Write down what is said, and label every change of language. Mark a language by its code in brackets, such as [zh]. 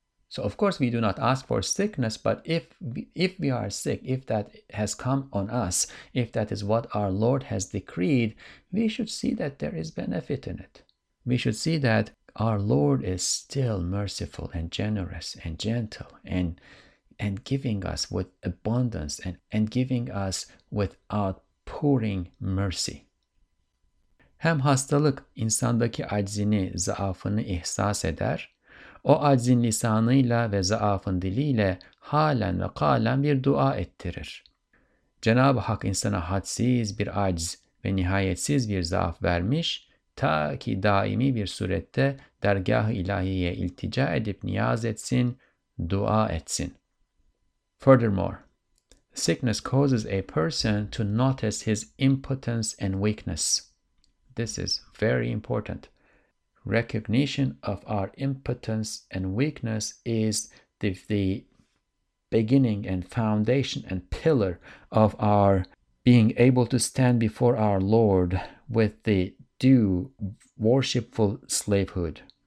[en] So of course we do not ask for sickness, but if we are sick, if that has come on us, if that is what our Lord has decreed, we should see that there is benefit in it. We should see that our Lord is still merciful and generous and gentle and giving us with abundance and giving us without pouring mercy. [tr] Hem hastalık insandaki aczini, zaafını ihsas eder, o aczin lisanıyla ve zaafın diliyle halen ve kalen bir dua ettirir. Cenab-ı Hak insana hadsiz bir acz ve nihayetsiz bir zaaf vermiş, ta ki daimi bir surette dergah-ı ilahiye iltica edip niyaz etsin, dua etsin. [en] Furthermore, sickness causes a person to notice his impotence and weakness. This is very important. Recognition of our impotence and weakness is the beginning and foundation and pillar of our being able to stand before our Lord with the due worshipful slavehood.